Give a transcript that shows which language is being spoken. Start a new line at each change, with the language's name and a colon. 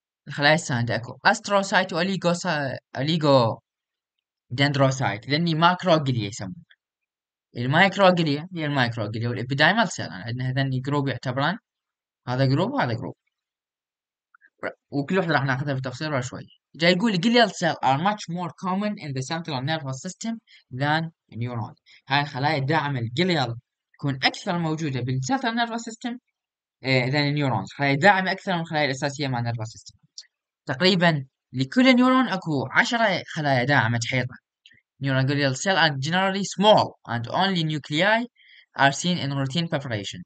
Arabic: خلايا الساند اكو استروسايت واليجو دندروسايت، ذني ماكرو جليا يسمون. المايكرو جليا هي المايكرو جليا والابيدايمال سيل، عندنا هذني جروب يعتبران، هذا جروب وهذا جروب، وكل واحد راح ناخذها بالتفصيل بعد شوي. جاي يقول
English: glial cell are much more common in the central nervous system than neuron.
Arabic: هاي الخلايا الداعمة الجليال تكون أكثر موجودة بال
English: central nervous system than neurons.
Arabic: خلايا داعمة أكثر من الخلايا الأساسية مع nervous system. تقريبا لكل نيورون أكو 10 خلايا داعمة تحيطها.
English: neuron glial cell are generally small and only nuclei are seen in routine preparation.